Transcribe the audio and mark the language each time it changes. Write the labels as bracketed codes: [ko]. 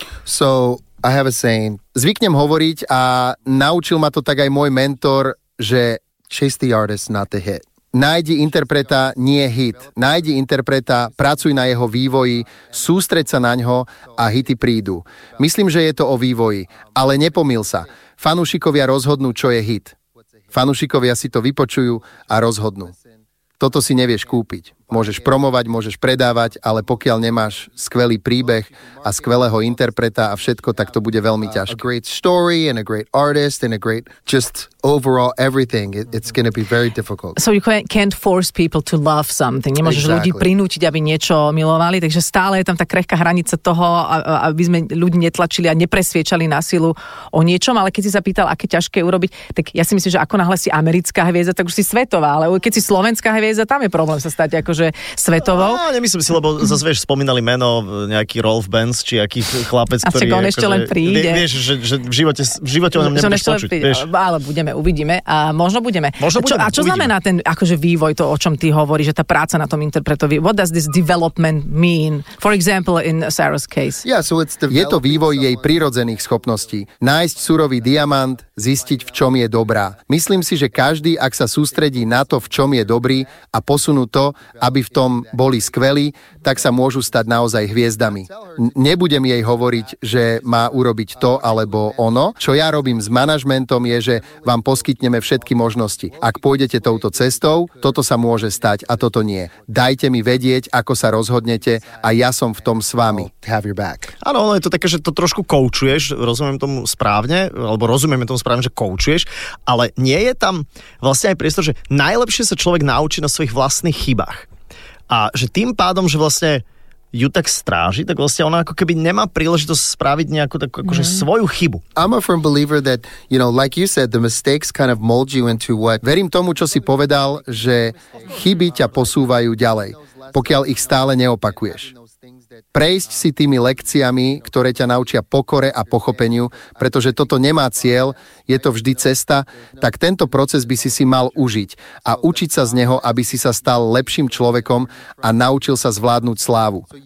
[en] So, I have a saying. [sk] Zvyknem hovoriť a naučil ma to tak aj môj mentor, že [en] chase the artist, not the hit. [sk] Nájdi interpreta, nie hit. Nájdi interpreta, pracuj na jeho vývoji, sústreď sa na ňo a hity prídu. Myslím, že je to o vývoji, ale nepomýl sa. Fanúšikovia rozhodnú, čo je hit. Fanúšikovia si to vypočujú a rozhodnú. Toto si nevieš kúpiť. Môžeš promovať, môžeš predávať, ale pokiaľ nemáš skvelý príbeh a skvelého interpreta a všetko, tak to bude veľmi ťažké. [en] A great story and a great artist and a great just overall everything. It's going to be very difficult. So you can't force people to love something. [sk] Nemôžeš [en] exactly. [sk] ľudí prinútiť, aby niečo milovali, takže stále je tam tá krehká hranica toho, aby sme ľudí netlačili a nepresviečali na silu o niečom, ale keď si zapýtal, aké ťažké urobiť, tak ja si myslím, že ako náhle si americká hviezda, tak už si svetová, ale keď si slovenská hviezda, tam je problém sa stať akože svetovou. No, nemyslím si, lebo zase vieš, spomínali meno nejaký Rolf Benz, či aký chlapec, a ktorý... A on ešte len príde. Vieš, že v živote o ňom nebudeš počuť. Ale budeme, uvidíme a možno budeme. Možno budeme, a čo znamená ten akože vývoj, to, o čom ty hovoríš, že tá práca na tom interpretovi? [en] What does this development mean? For example, in Sarah's case. Yeah, so it's [sk] je to vývoj jej prirodzených schopností. Nájsť surový diamant, zistiť, v čom je dobrá. Myslím si, že každý, ak sa sústredí na to, v čom je dobrý a posunú to, aby v tom boli skvelí, tak sa môžu stať naozaj hviezdami. Nebudem jej hovoriť, že má urobiť to alebo ono. Čo ja robím s manažmentom je, že vám poskytneme všetky možnosti. Ak pôjdete touto cestou, toto sa môže stať a toto nie. Dajte mi vedieť, ako sa rozhodnete a ja som v tom s vami. Áno, ono je to také, že to trošku koučuješ, rozumiem tomu správne, alebo rozumieme tomu správne, že koučuješ, ale nie je tam vlastne aj priestor, že najlepšie sa človek naučí na svojich vlastných chybách. A že tým pádom, že vlastne ju tak stráži, tak vlastne ona ako keby nemá príležitosť spraviť nejakú takú akože svoju chybu. [en] I'm a firm believer that, you know, like you said, the mistakes kind of mold you into what... [sk] Verím tomu, čo si povedal, že chyby ťa posúvajú ďalej, pokiaľ ich stále neopakuješ. Prejsť si tými lekciami, ktoré ťa naučia pokore a pochopeniu, pretože toto nemá cieľ, je to vždy cesta, tak tento proces by si si mal užiť a učiť sa z neho, aby si sa stal lepším človekom a naučil sa zvládnuť slávu.